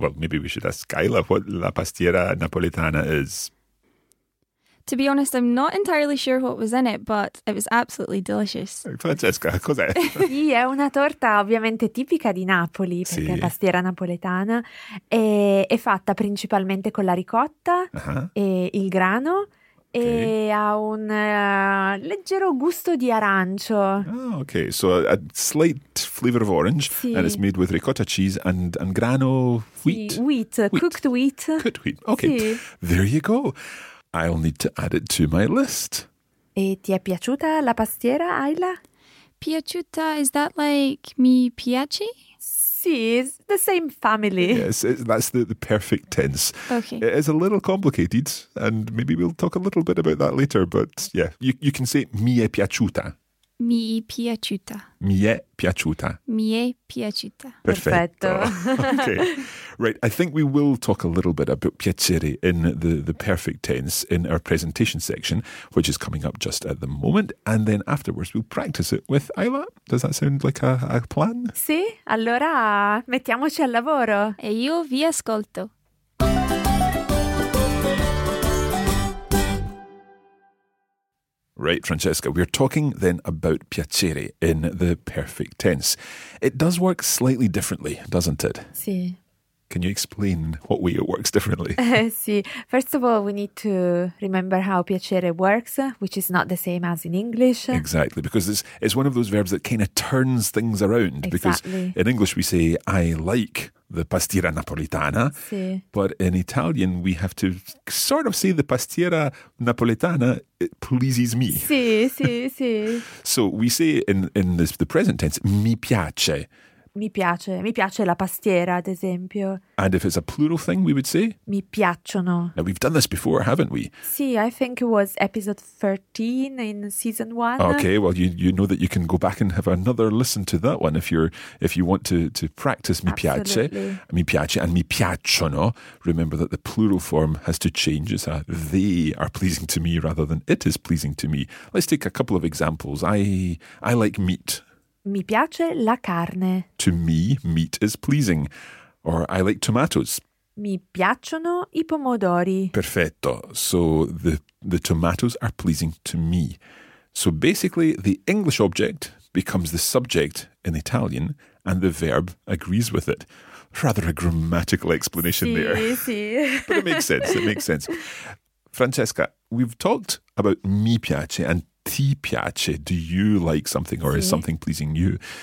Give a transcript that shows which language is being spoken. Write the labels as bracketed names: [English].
[English] Well, maybe we should ask Kyla what la pastiera napoletana is. To be honest, I'm not entirely sure what was in it, but it was absolutely delicious. [Italian] Francesca, cos'è? Sì, è una torta ovviamente tipica di Napoli, perché sì. è pastiera napoletana, e è fatta principalmente con la ricotta uh-huh. e il grano, [English] okay. [Italian] e ha un leggero gusto di arancio. [English] Oh, okay, so a slight flavor of orange, [Italian] sì. [English] and it's made with ricotta cheese and grano, wheat? [Italian] Sì, [English] wheat. Cooked wheat. Cooked wheat, okay. [Italian] Sì. [English] There you go. I'll need to add it to my list. [Italian] E ti è piaciuta la pastiera, Ayla? [English] Piaciuta, is that like [Italian] mi piace? Sì, [English] it's the same family. Yes, that's the perfect tense. Okay. It is a little complicated, and maybe we'll talk a little bit about that later, but yeah, you can say [Italian] mi è piaciuta. Mi è piaciuta. Mi è piaciuta. Mi è piaciuta. Perfetto. Perfetto. [English] Okay. Right, I think we will talk a little bit about piacere in the perfect tense in our presentation section, which is coming up just at the moment. And then afterwards we'll practice it with Ayla. Does that sound like a plan? [Italian] Sì, allora mettiamoci al lavoro. E io vi ascolto. [English] Right, Francesca, we're talking then about piacere in the perfect tense. It does work slightly differently, doesn't it? [Italian] Sì. [English] Can you explain what way it works differently? [Italian] Sì. [English] First of all, we need to remember how piacere works, which is not the same as in English. Exactly, because it's one of those verbs that kind of turns things around. Exactly. Because in English we say, I like the pastiera napoletana. [Italian] Sì. [English] But in Italian we have to sort of say the pastiera napoletana, it pleases me. [Italian] Sì, sì, sì. [English] So we say in this, the present tense, [Italian] mi piace. Mi piace la pastiera, ad esempio. [English] And if it's a plural thing, we would say? [Italian] Mi piacciono. [English] Now, we've done this before, haven't we? [Italian] Sì, [English] I think it was episode 13 in season 1. Okay, well, you know that you can go back and have another listen to that one if you want to practice [Italian] mi [English] Absolutely. [Italian] Piace. Mi piace [English] and [Italian] mi piacciono. [English] Remember that the plural form has to change. It's a they are pleasing to me rather than it is pleasing to me. Let's take a couple of examples. I like meat. [Italian] Mi piace la carne. [English] To me, meat is pleasing. Or I like tomatoes. [Italian] Mi piacciono I pomodori. Perfetto. [English] So the tomatoes are pleasing to me. So basically, the English object becomes the subject in Italian and the verb agrees with it. Rather a grammatical explanation [Italian] sì, [English] there. [Italian] Sì. [English] But it makes sense. It makes sense. Francesca, we've talked about [Italian] mi piace [English] and [Italian] ti piace, [English] do you like something or is something pleasing you?